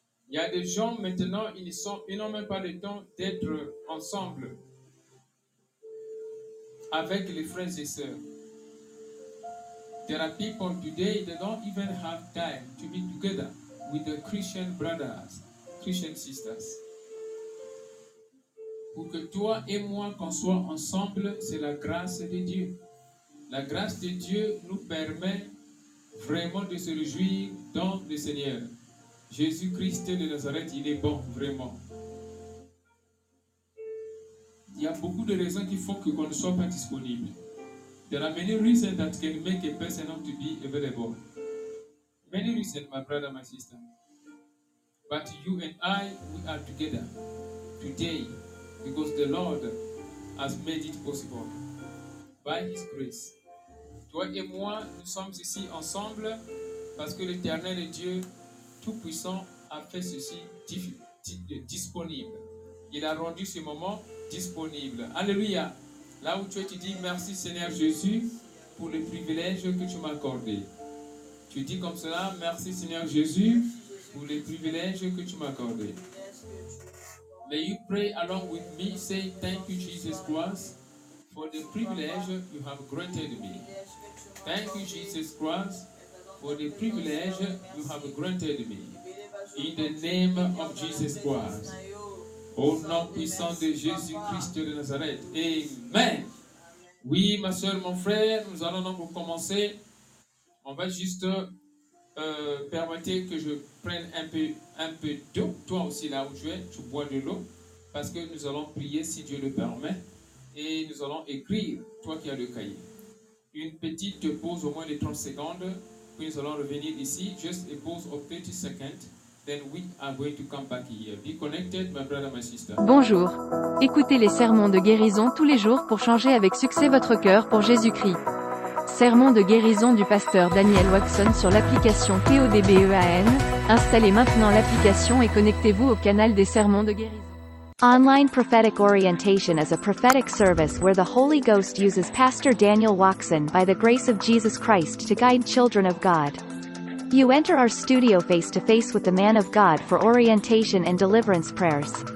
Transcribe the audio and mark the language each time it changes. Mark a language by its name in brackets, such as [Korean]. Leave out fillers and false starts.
[French] Il y a des gens maintenant, ils ne sont énormément pas le temps d'être ensemble avec les frères et sœurs. [English] There are people today, they don't even have time to be together with the Christian brothers, Christian sisters. [French] Pour que toi et moi, qu'on soit ensemble, c'est la grâce de Dieu. La grâce de Dieu nous permet vraiment de se réjouir dans le Seigneur. Jésus-Christ de Nazareth, il est bon, vraiment. Il y a beaucoup de raisons qui font qu'on ne soit pas disponible. [English] There are many reasons that can make a person not to be available. Many reasons, my brother, my sister. But you and I, we are together today because the Lord has made it possible by His grace. [French] Toi et moi, nous sommes ici ensemble parce que l'Éternel est Dieu Tout-Puissant a fait ceci disponible. Il a rendu ce moment disponible. Alléluia. Là où tu es, tu dis merci Seigneur Jésus pour le privilège que tu m'as accordé. Tu dis comme cela, merci Seigneur Jésus pour le privilège que tu m'as accordé. [English] May you pray along with me, say thank you Jesus Christ for the privilege you have granted me. Thank you Jesus Christ for the privilege you have granted me. In the name of Jesus Christ. [French] Au nom puissant de Jésus Christ de Nazareth. Amen. Oui, ma soeur, mon frère, nous allons donc commencer. On va juste permettre que je prenne un peu d'eau. Toi aussi, là où tu es, tu bois de l'eau. Parce que nous allons prier, si Dieu le permet. Et nous allons écrire, toi qui as le cahier. Une petite pause, au moins de 30 secondes. Puis nous allons revenir ici, [English] just a pause of 30 seconds, then we are going to come back here. Be connected, my brother, my sister. [French] Bonjour. Écoutez les sermons de guérison tous les jours pour changer avec succès votre cœur pour Jésus-Christ. Sermon de guérison du pasteur Daniel Watson sur l'application PODBEAN. Installez maintenant l'application et connectez-vous au canal des sermons de guérison. [English] Online prophetic orientation is a prophetic service where the Holy Ghost uses Pastor Daniel Watson by the grace of Jesus Christ to guide children of God. You enter our studio face to face with the man of God for orientation and deliverance prayers.